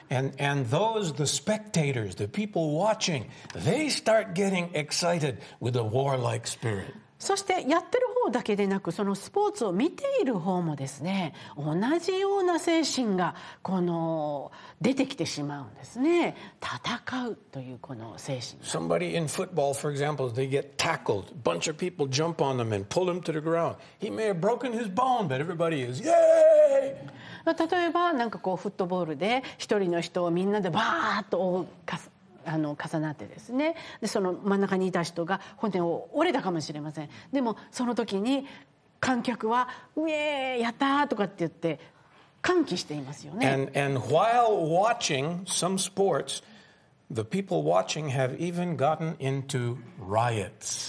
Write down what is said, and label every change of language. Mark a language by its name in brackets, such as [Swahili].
[English] And those, the spectators, the people watching, they start getting excited with a warlike spirit. [Japanese] そしてやってる方だけでなく、そのスポーツを見ている方もですね、同じような精神がこの出てきてしまうんですね。戦うというこの精神。 [English] Somebody in football, for example, they get tackled. Bunch of people jump on them and pull them to the ground. He may have broken his bone, but everybody is, yay! [Japanese] 例えば、なんかこうフットボールで一人の人をみんなでバーッと追うか。重なってですね、でその真ん中にいた人が骨を折れたかもしれません。でもその時に観客はウェーやったーとかって言って歓喜していますよね。 [English] And while watching some sports, the people watching have even gotten into riots.